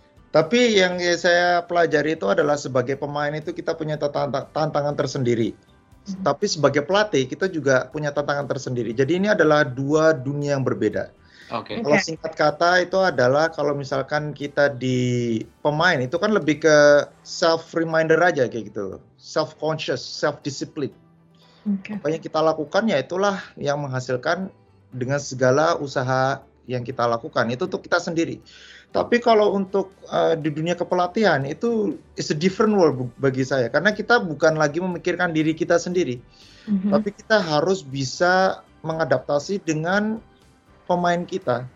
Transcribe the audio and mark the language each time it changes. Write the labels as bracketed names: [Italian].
[Indonesian] Tapi yang saya pelajari itu adalah sebagai pemain itu kita punya tantangan tersendiri. Tapi sebagai pelatih kita juga punya tantangan tersendiri. Jadi ini adalah dua dunia yang berbeda. Kalau singkat kata itu adalah kalau misalkan kita di pemain itu kan lebih ke [English] self reminder [Indonesian] aja kayak gitu. [English] Self-conscious, self-discipline. [Indonesian] Apa yang kita lakukan ya itulah yang menghasilkan dengan segala usaha yang kita lakukan. Itu untuk kita sendiri. Tapi kalau untuk di dunia kepelatihan itu [English] it's a different world [Indonesian] bagi saya. Karena kita bukan lagi memikirkan diri kita sendiri. Tapi kita harus bisa mengadaptasi dengan pemain kita.